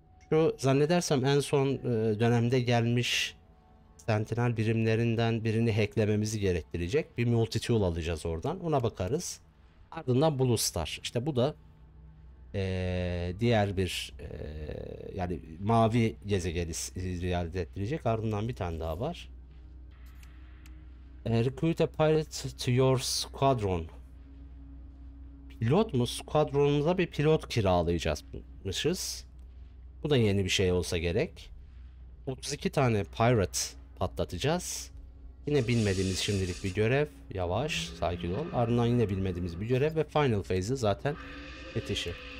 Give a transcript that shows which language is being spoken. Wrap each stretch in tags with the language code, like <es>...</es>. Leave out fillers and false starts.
<tr>Şu zannedersem en son dönemde gelmiş Sentinel birimlerinden birini hacklememizi gerektirecek. Bir Multitool alacağız oradan. Ona bakarız. Ardından Blue Star. İşte bu da diğer bir yani mavi gezegeni ziyaret ettirecek. Ardından bir tane daha var.</tr> <en>Recruit a pilot to your squadron.</en> <tr>Pilot mu? Squadronumuza bir pilot kiralayacakmışız. Bu da yeni bir şey olsa gerek. 32 tane pirate patlatacağız. Yine bilmediğimiz şimdilik bir görev. Yavaş, sakin ol. Ardından yine bilmediğimiz bir görev ve final phase'i zaten yetişi.</tr>